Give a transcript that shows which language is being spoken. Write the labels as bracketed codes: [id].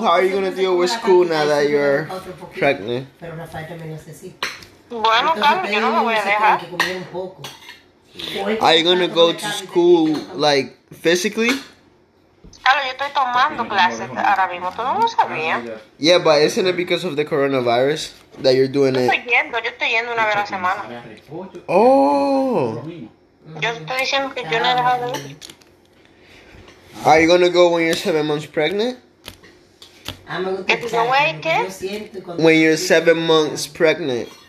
[en] How are you going to deal with school now that you're pregnant? [es] Pero Rafael también lo hace, sí. Bueno, Carmen, yo no me voy a dejar. [en] Are you going to go to school, like, physically? [es] Claro, yo estoy tomando clases ahora mismo. Todo no lo sabía. [en] Yeah, but isn't it because of the coronavirus that you're doing it? [es] Yo estoy yendo una vez a la semana. Oh. Yo estoy diciendo que yo no he dejado de ir. [en] Are you gonna go when you're 7 months pregnant? When you're 7 months pregnant.